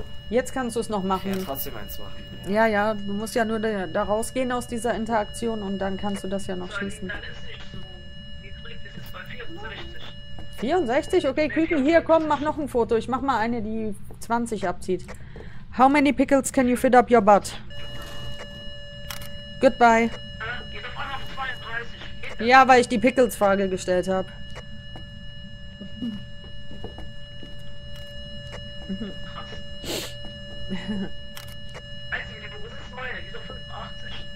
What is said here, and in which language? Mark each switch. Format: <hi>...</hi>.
<de>Jetzt kannst du es noch machen. Ja, trotzdem eins machen. Ja. Ja, du musst ja nur da rausgehen aus dieser Interaktion und dann kannst du das ja noch schließen. Dann ist nicht so niedrig, das ist bei 64. 64? Okay, Küken, hier, komm, mach noch ein Foto. Ich mach mal eine, die 20 abzieht.</de> <en>How many pickles can you fit up your butt? Goodbye.</en> <de>Geht auf einmal auf 32. Geht ja, weil ich die Pickles-Frage gestellt habe. Krass. Also, wo ist es neu? Die ist auf 85.</de>